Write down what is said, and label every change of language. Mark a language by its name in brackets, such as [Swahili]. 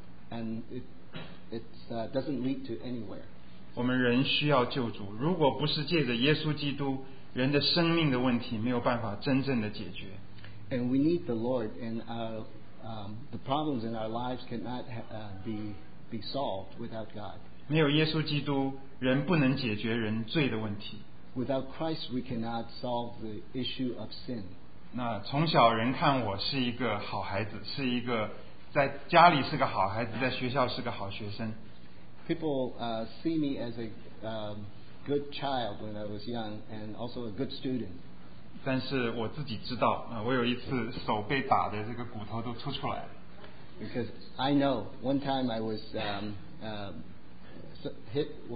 [English] And it doesn't lead to anywhere. [Chinese] 我们人需要救主，如果不是借着耶稣基督，人的生命的问题没有办法真正的解决。 [English] And we need the Lord, and the problems in our lives cannot be solved without God. [Chinese] 没有耶稣基督，人不能解决人罪的问题。 [English] Without Christ, we cannot solve the issue of sin. [Chinese] 那从小人看我是一个好孩子，是一个在家里是个好孩子，在学校是个好学生。 [English] People see me as a good child when I was young, and also a good student. [Chinese] 但是我自己知道，我有一次手被打的这个骨头都凸出来。 [English] Because I know one time I was hit.